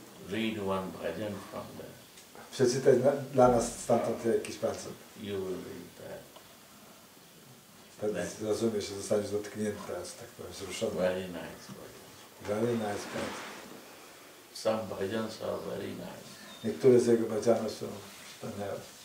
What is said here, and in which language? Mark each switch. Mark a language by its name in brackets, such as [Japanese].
[English] Read one bhajan from there. [Polish] Przeczytaj dla nas stamtąd jakiś bardzo. [English] You will read that. [Polish] Wtedy zrozumiesz, że zostaniesz dotknięty teraz, tak powiem, wzruszony. [English] Very nice bhajan. Very nice bhajan. Some bhajans are very nice. [Polish] Niektóre z jego bhajanów są wspaniałe.